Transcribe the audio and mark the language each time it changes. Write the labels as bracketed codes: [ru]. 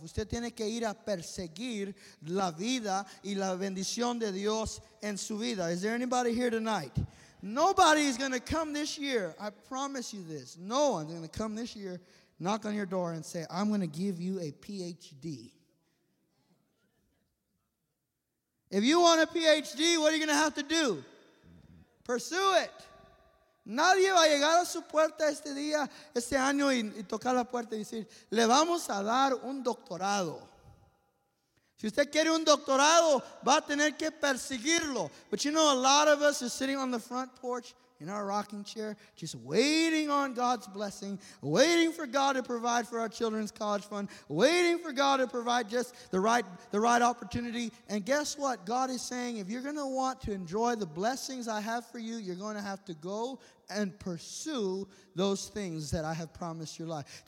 [es] Usted tiene que ir a perseguir la vida y la bendición de Dios en su vida. [en] Is there anybody here tonight? Nobody is going to come this year. I promise you this. No one's going to come this year, knock on your door and say, I'm going to give you a PhD. If you want a PhD, what are you going to have to do? Pursue it. [es] Nadie va a llegar a su puerta este día, este año, y tocar la puerta y decir, le vamos a dar un doctorado. Si usted quiere un doctorado, va a tener que perseguirlo. [en] But you know, a lot of us are sitting on the front porch in our rocking chair, just waiting on God's blessing, waiting for God to provide for our children's college fund, waiting for God to provide just the right opportunity. And guess what? God is saying, if you're going to want to enjoy the blessings I have for you, you're going to have to go and pursue those things that I have promised your life.